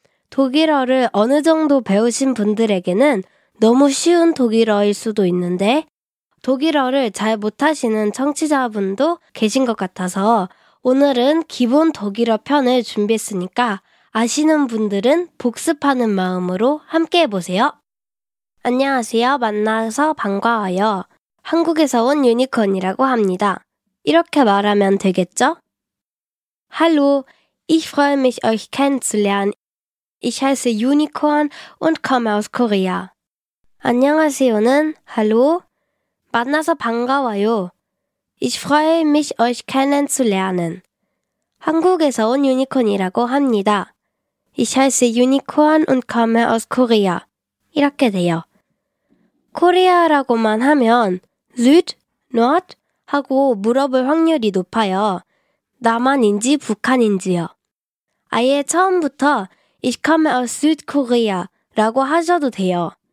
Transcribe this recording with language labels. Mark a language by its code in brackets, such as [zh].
[ko] 독일어를 어느 정도 배우신 분들에게는 너무 쉬운 독일어일 수도 있는데 독일어를 잘 못하시는 청취자분도 계신 것 같아서 오늘은 기본 독일어 편을 준비했으니까 아시는 분들은 복습하는 마음으로 함께 해보세요. 안녕하세요. 만나서 반가워요. 한국에서 온 유니콘이라고 합니다. 이렇게 말하면 되겠죠? [de] Hallo, ich freue mich euch kennenzulernen. Ich heiße Yunicorn und komme aus Korea. [ko] 안녕하세요는 Hallo, 만나서 반가워요. [de] Ich freue mich euch kennenzulernen. [ko] 한국에서 온 유니콘이라고 합니다. [de] Ich heiße Yunicorn und komme aus Korea. [ko] 이렇게 돼요. 코리아라고만 하면 Süd, Nord 하고 물어볼 확률이 높아요. 남한인지 북한인지요. 아예 처음부터 [de] Ich komme aus Südkorea [ko] 라고 하셔도 돼요.